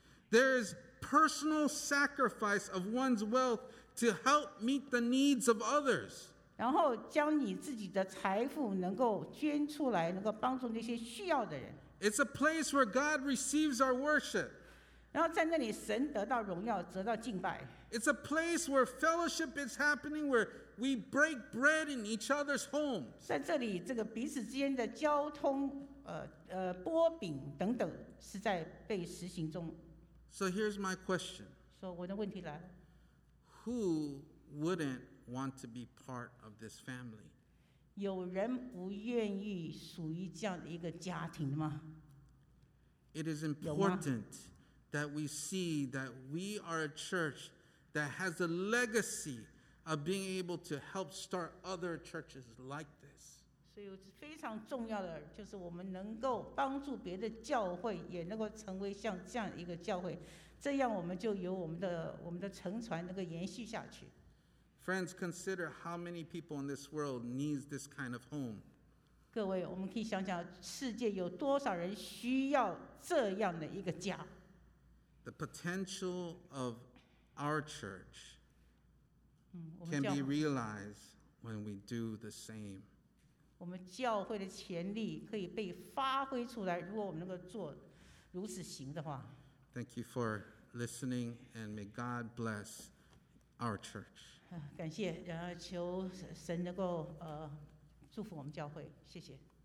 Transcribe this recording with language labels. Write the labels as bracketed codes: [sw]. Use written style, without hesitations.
[en] There is personal sacrifice of one's wealth to help meet the needs of others. [zh] 然后将你自己的财富能够捐出来，能够帮助那些需要的人。 [en] It's a place where God receives our worship. [zh] 然后在那里，神得到荣耀，得到敬拜。 [en] It's a place where fellowship is happening, where we break bread in each other's homes. [zh] 在这里，这个彼此之间的交通，拨饼等等，是在被实行中。 [en] So here's my question. [zh] 所以我的问题来了。 [en] Who wouldn't want to be part of this family? [zh] 有人不愿意属于这样的一个家庭吗？ [en] It is important that we see that we are a church. That has a legacy of being able to help start other churches like this. [zh] 所以非常重要的就是我们能够帮助别的教会，也能够成为像这样一个教会，这样我们就有我们的承传能够延续下去。 [en] Friends, consider how many people in this world needs this kind of home. [zh] 各位，我们可以想想，世界有多少人需要这样的一个家 [en] ？The potential of Our church can be realized when we do the same. [zh] 我们教会的潜力可以被发挥出来，如果我们能够做如此行的话。 [en] Thank you for listening, and may God bless our church. [zh] 感谢，然后求神能够祝福我们教会，谢谢。